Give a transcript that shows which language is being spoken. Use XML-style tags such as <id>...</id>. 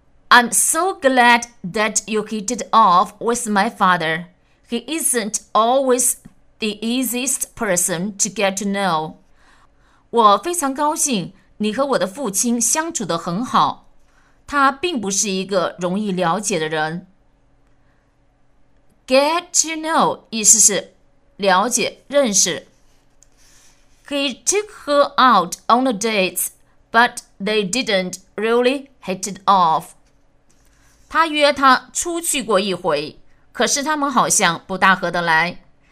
<en>I'm so glad that you hit it off with my father. He isn't always the easiest person to get to know.</en> <zh>我非常高兴你和我的父亲相处得很好，他并不是一个容易了解的人。 Get to know 意思是了解、认识。</zh> <en>He took her out on a date, but they didn't really hit it off.</en> <zh>他约她出去过一回，可是他们好像不大合得来。</zh>